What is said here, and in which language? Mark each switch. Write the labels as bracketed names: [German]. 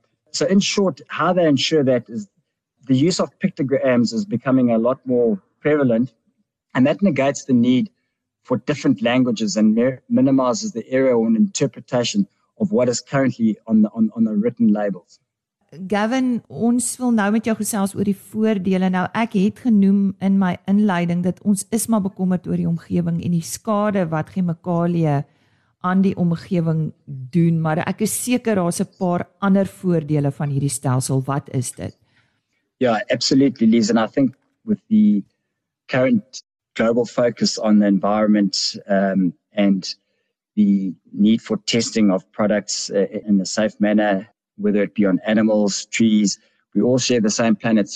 [English] So in short, how they ensure that is the use of pictograms is becoming a lot more prevalent, and that negates the need for different languages and minimizes the error on interpretation of what is currently on the written labels. [Afrikaans] Gavin, ons wil nou met jou gesels oor die voordele. Nou, ek het genoem in my inleiding dat ons is maar bekommerd oor die omgewing en die skade wat chemikalieë aan die omgewing doen, maar ek is seker daar's 'n paar ander voordele van hierdie stelsel. Wat is dit? [English] Ja, absolutely, Liz, and I think with the current global focus on the environment and the need for testing of products in a safe manner, whether it be on animals, trees, we all share the same planet.